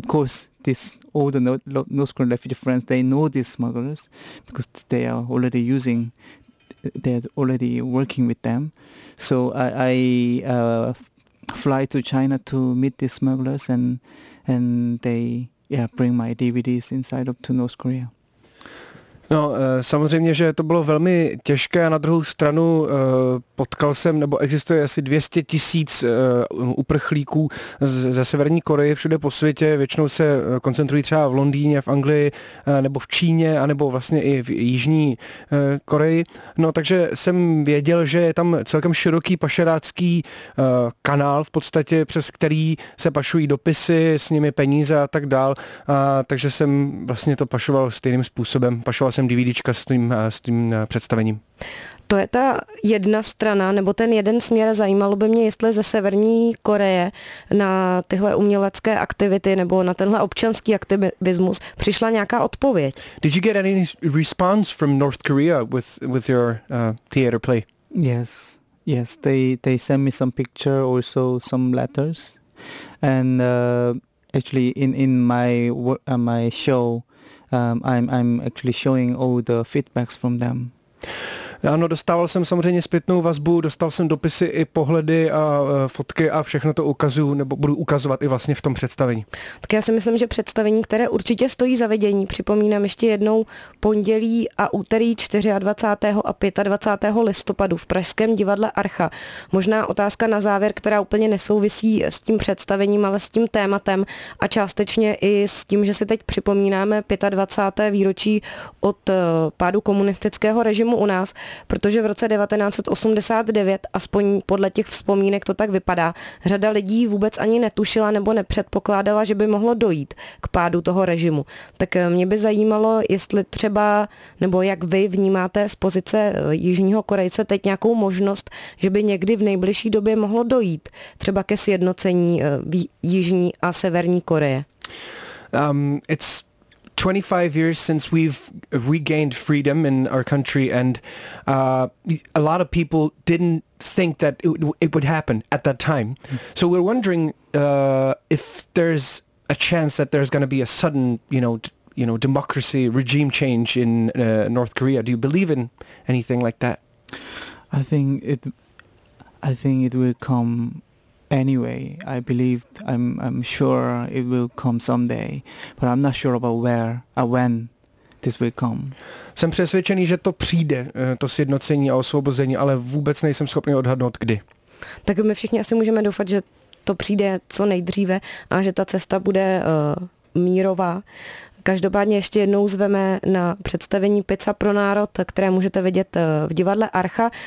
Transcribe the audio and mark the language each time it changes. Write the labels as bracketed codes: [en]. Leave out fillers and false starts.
[en] Of course, all the North Korean refugee friends, they know these smugglers because they are already using, they're already working with them. So I fly to China to meet these smugglers, and they bring my DVDs inside up to North Korea. [cs] No, samozřejmě, že to bylo velmi těžké, a na druhou stranu potkal jsem, nebo existuje asi 200 tisíc uprchlíků ze Severní Koreje všude po světě, většinou se koncentrují třeba v Londýně, v Anglii, nebo v Číně, anebo vlastně i v Jižní Koreji. No, takže jsem věděl, že je tam celkem široký pašerácký kanál v podstatě, přes který se pašují dopisy, s nimi peníze a tak dál, takže jsem vlastně to pašoval stejným způsobem, pašoval časem DVDčka s tím představením. To je ta jedna strana, nebo ten jeden směr. Zajímalo by mě, jestli ze Severní Koreje na tyhle umělecké aktivity nebo na tenhle občanský aktivismus přišla nějaká odpověď. [en] Did you get any response from North Korea with your theater play? Yes, they sent me some picture, also some letters, and actually in my show, I'm actually showing all the feedbacks from them. [cs] Ano, dostával jsem samozřejmě zpětnou vazbu, dostal jsem dopisy i pohledy a fotky a všechno to ukazuju, nebo budu ukazovat i vlastně v tom představení. Tak já si myslím, že představení, které určitě stojí za vidění, připomínám ještě jednou, pondělí a úterý 24. a 25. listopadu v Pražském divadle Archa. Možná otázka na závěr, která úplně nesouvisí s tím představením, ale s tím tématem a částečně i s tím, že si teď připomínáme 25. výročí od pádu komunistického režimu u nás. Protože v roce 1989, aspoň podle těch vzpomínek to tak vypadá, řada lidí vůbec ani netušila nebo nepředpokládala, že by mohlo dojít k pádu toho režimu. Tak mě by zajímalo, jestli třeba, nebo jak vy vnímáte z pozice Jižního Korejce teď nějakou možnost, že by někdy v nejbližší době mohlo dojít třeba ke sjednocení Jižní a Severní Koreje. [en] It's 25 years since we've regained freedom in our country, and a lot of people didn't think that it would happen at that time. So we're wondering if there's a chance that there's going to be a sudden, you know, democracy regime change in North Korea. Do you believe in anything like that? I think it will come anyway. I believe, I'm sure it will come someday, but I'm not sure about where or when this will come. [cs] Jsem přesvědčený, že to přijde, to sjednocení a osvobození, ale vůbec nejsem schopný odhadnout kdy. Tak my všichni asi můžeme doufat, že to přijde co nejdříve a že ta cesta bude mírová. Každopádně ještě jednou zveme na představení Pizza pro národ, které můžete vidět v divadle Archa.